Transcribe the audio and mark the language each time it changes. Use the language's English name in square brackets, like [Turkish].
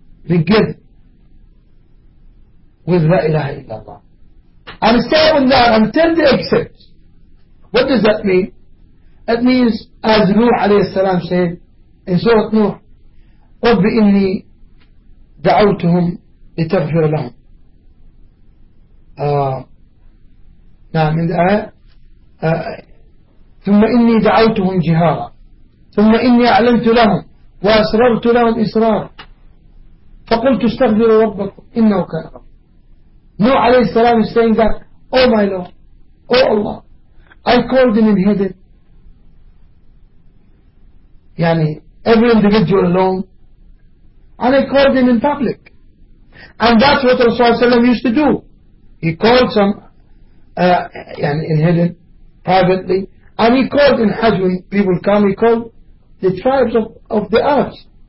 [English] Begin with La ilaha illallah. And say on that until they accept. What does that mean? It means, as Nuh alayhi salam said in Surah Nuh, رَبِّ إِنِّي دَعَوْتُهُمْ لِتَغْفِرَ لَهُمْ. [Arabic] نعم من الآية ثم إني دعوتهم جهارا ثم إني أعلنت لهم وأسررت لهم إسرارا فقلت استغفروا ربكم إنه كان غفورا. [English] نوح عليه السلام is saying that, oh my Lord, oh Allah, I called them and hid it. يعني every individual alone, and I called them in public. And that's what Rasulullah used to do. He called some in hidden privately, and he called in Hajj when people come, he called the tribes of the Arabs.